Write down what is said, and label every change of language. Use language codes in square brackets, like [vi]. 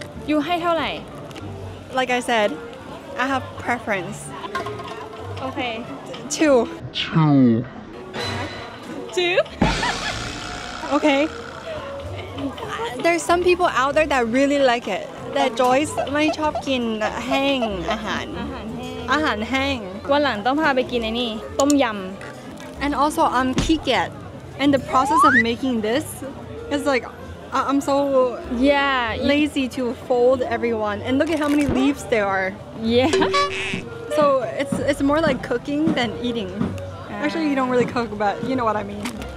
[en] You hate how like? Like I said, I have preference. Okay. Two. Okay. There's some people out there that really like it. [th] แต่ Joyce ไม่ชอบกินแห้งอาหาร อาหารแห้ง อาหารแห้ง วันหลังต้องพาไปกินไอ้นี่ต้มยำ [en] and also I'm kicked and the process of making this is like I'm so yeah lazy to fold everyone and look at how many leaves there are yeah so it's more like cooking than eating actually you don't really cook but you know what I mean